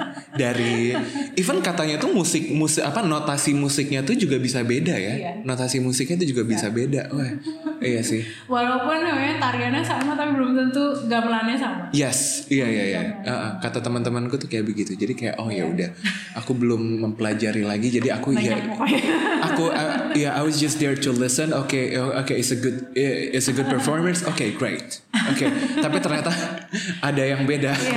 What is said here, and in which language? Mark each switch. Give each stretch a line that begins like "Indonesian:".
Indonesian: Dari even katanya tuh musik apa notasi musiknya tuh juga bisa beda ya. Iya. Notasi musiknya tuh juga bisa beda. Wah. Iya sih. Walaupun namanya tariannya sama tapi belum tentu gamelannya sama. Yes. Iya. Kata teman-temanku tuh kayak begitu. Jadi kayak oh ya udah. Aku belum mempelajari lagi jadi aku banyak ya.
English: I was just there to listen. Okay, it's a good performance. Okay, great. Okay.
Indonesian: Tapi ternyata ada yang beda.